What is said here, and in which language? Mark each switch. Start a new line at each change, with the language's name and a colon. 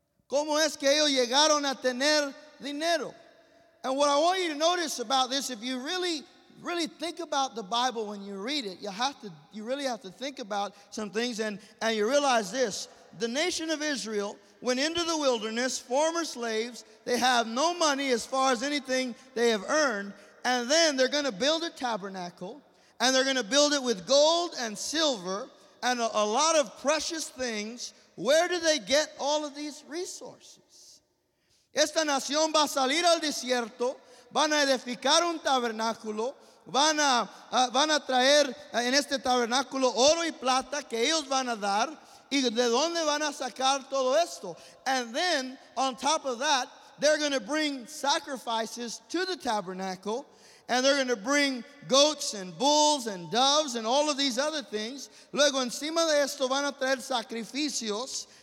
Spanish: ¿Cómo es que ellos llegaron a tener dinero?
English: And what I want you to notice about this, if you really, really think about the Bible when you read it, you really have to think about some things, and you realize this. The nation of Israel went into the wilderness, former slaves. They have no money as far as anything they have earned. And then they're going to build a tabernacle, and they're going to build it with gold and silver and a lot of precious things. Where do they get all of these resources?
Spanish: Esta nación va a salir al desierto, van a edificar un tabernáculo, van a traer en este tabernáculo oro y plata que ellos van a dar, y de dónde van a sacar todo esto.
English: And then, on top of that, they're going to bring sacrifices to the tabernacle, and they're going to bring goats and bulls and doves and all of these other things.
Spanish: Luego, encima de esto, van a traer sacrificios.